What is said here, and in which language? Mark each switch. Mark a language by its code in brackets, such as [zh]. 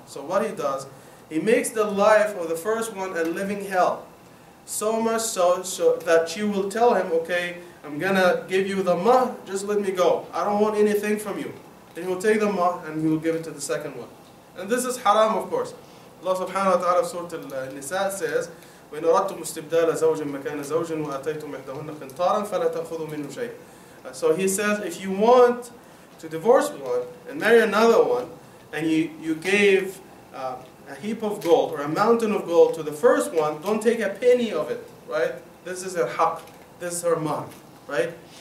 [en] So what he does, he makes the life of the first one a living hell. So much so that she will tell him, okay, I'm going to give you the mahr, just let me go. I don't want anything from you. Then he'll take the mahr and he'll give it to the second one. And this is haram, of course. Allah subhanahu wa ta'ala, Surah Al-Nisa says, [ar] وَإِنْ أَرَدْتُمْ إِسْتِبْدَالَ زَوْجٍ مَكَانَ زَوْجٍ وَأَتَيْتُمْ إِحْدَهُنَّ قِنْطَارًا فَلَا تَأْخُذُوا مِنْهُ شَيْءٍ. [en] So he says, if you want to divorce one and marry another one, and you gave a heap of gold or a mountain of gold to the first one, don't take a penny of it, right? This is her haq, this is her mahr, right?